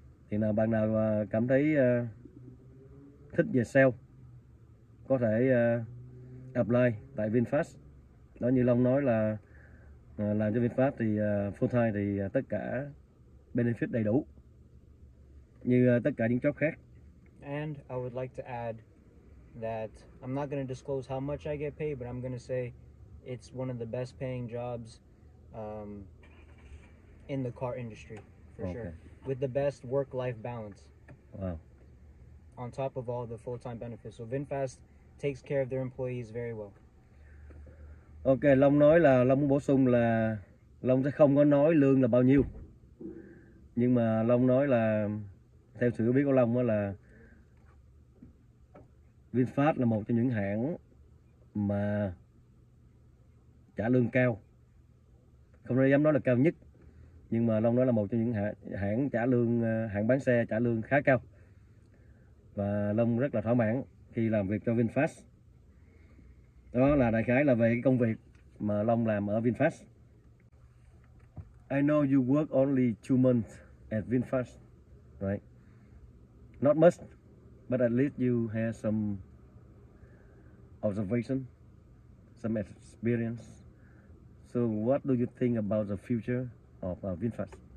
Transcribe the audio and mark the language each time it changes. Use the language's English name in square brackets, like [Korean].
[Vietnamese] Thì nào bạn nào cảm thấy thích về sale có thể apply tại VinFast. Đó như Long nói là làm cho VinFast thì full time thì tất cả benefit đầy đủ như tất cả những job khác. [English] And I would like to add that I'm not going to disclose how much I get paid, but I'm going to say it's one of the best paying jobs in the car industry for okay. sure, with the best work life balance. Wow. On top of all the full time benefits, so VinFast takes care of their employees very well. [Vietnamese] Okay, Long nói là Long muốn bổ sung là Long sẽ không có nói lương là bao nhiêu. Nhưng mà Long nói là theo sự hiểu biết của Long là VinFast là một trong những hãng mà trả lương cao. Không dám nói là cao nhất, nhưng mà Long nói là một trong những hãng trả lương, hãng bán xe trả lương khá cao. Và Long rất là thỏa mãn khi làm việc cho VinFast. Đó là đại khái là về cái công việc mà Long làm ở VinFast. [English] I know you work only 2 months at VinFast, right? Not much, but at least you have some observation, some experience. So what do you think about the future of VinFast?